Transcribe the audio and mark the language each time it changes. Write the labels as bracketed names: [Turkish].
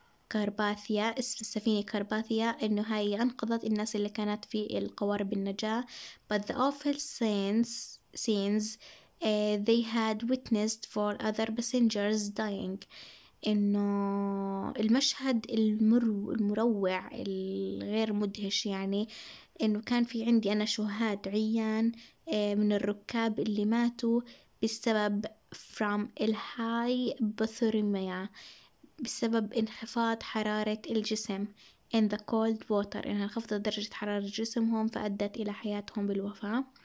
[Arabic] اسم السفينة كارباثيا, إنه هاي أنقذت الناس اللي كانت في القوارب النجاة. [English] But the awful scenes they had witnessed for other passengers dying. [Arabic] إنه المشهد المروع الغير مدهش, يعني إنه كان في عندي أنا شهاد عيان من الركاب اللي ماتوا بسبب [English] from hypothermia, [Arabic] بسبب انخفاض حرارة الجسم [English] in the cold water, [Arabic] إنها انخفضت درجة حرارة جسمهم فأدت إلى حياتهم بالوفاة.